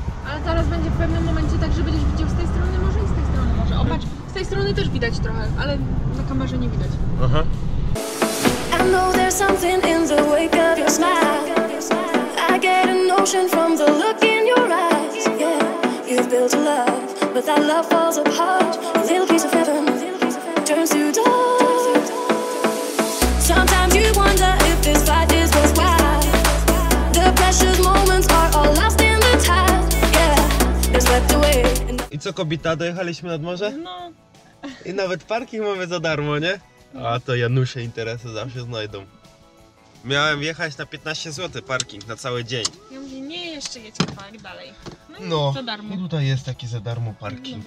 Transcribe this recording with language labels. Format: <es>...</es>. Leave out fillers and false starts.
<pl>Ale zaraz będzie w pewnym momencie tak, że będziesz widział z tej strony morze i z tej strony morze. Opatrz, z tej strony też widać trochę, ale na kamerze nie widać. Aha.</pl> <en>I know there's something in the wake of your smile. I get a notion from the look in your eyes. Yeah, you've built a love, but that love falls apart. A little piece of heaven turns to dust. Sometimes you wonder if this fight is worthwhile. The precious moments are all lost in the tide. Yeah, it's swept away.</en> <pl>I co kobita, dojechaliśmy nad morze? No. I nawet parking mamy za darmo, nie? A to Janusze interesy zawsze znajdą. Miałem jechać na 15 zł parking na cały dzień. Ja mówię, nie, jeszcze jedźmy park dalej. No, no za darmo. I tutaj jest taki za darmo parking.</pl>